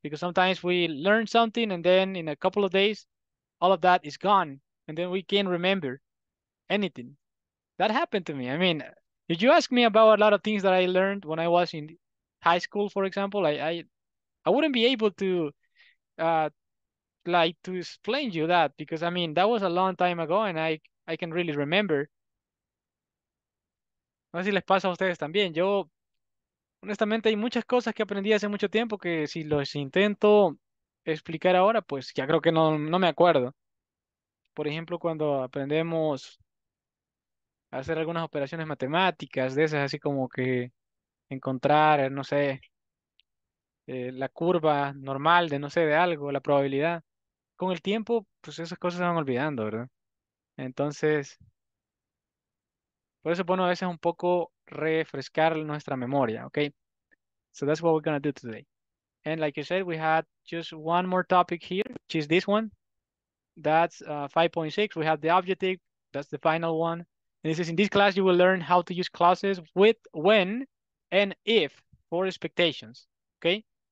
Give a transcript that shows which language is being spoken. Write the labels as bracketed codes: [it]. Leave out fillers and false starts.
[en] Because sometimes we learn something and then in a couple of days, all of that is gone and then we can't remember anything. That happened to me. I mean, if you ask me about a lot of things that I learned when I was in high school, for example, I wouldn't be able to like to explain you that, because I mean, that was a long time ago and I can really remember. [es] No sé si les pasa a ustedes también. Yo, honestamente, hay muchas cosas que aprendí hace mucho tiempo que si los intento explicar ahora, pues ya creo que no me acuerdo. Por ejemplo, cuando aprendemos a hacer algunas operaciones matemáticas, de esas así como que encontrar, no sé, la curva normal de, no sé, de algo, la probabilidad. Con el tiempo, pues esas cosas se van olvidando, ¿verdad? Entonces, por eso, bueno, a veces un poco refrescar nuestra memoria, ¿ok? [en] So that's what we're going to do today. And like you said, we had just one more topic here, which is this one. That's 5.6. We have the objective. That's the final one. And this is, in this class, you will learn how to use clauses with, when, and if for expectations, ¿ok?